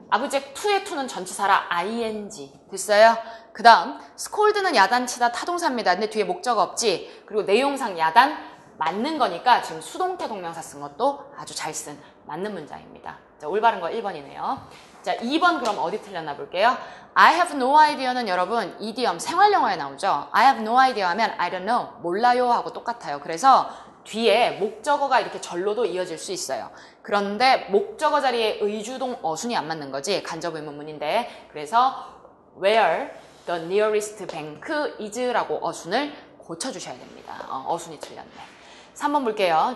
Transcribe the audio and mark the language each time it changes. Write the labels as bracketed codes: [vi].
[ko] Object 2의 2는 전치사라 ing. 됐어요? 그 다음, scold는 야단치다 타동사입니다. 근데 뒤에 목적 없지. 그리고 내용상 야단 맞는 거니까 지금 수동태 동명사 쓴 것도 아주 잘 쓴 맞는 문장입니다. 자, 올바른 거 1번이네요. 자, 2번 그럼 어디 틀렸나 볼게요. [en] I have no idea [ko] 는 여러분 idiom 생활용어에 나오죠. [en] I have no idea [ko] 하면 [en] I don't know, [ko] 몰라요 하고 똑같아요. 그래서 뒤에 목적어가 이렇게 절로도 이어질 수 있어요. 그런데 목적어 자리에 의주동 어순이 안 맞는 거지. 간접 의문문인데. 그래서 [en] where the nearest bank is [ko] 라고 어순을 고쳐주셔야 됩니다. 어순이 틀렸네. 3번 볼게요.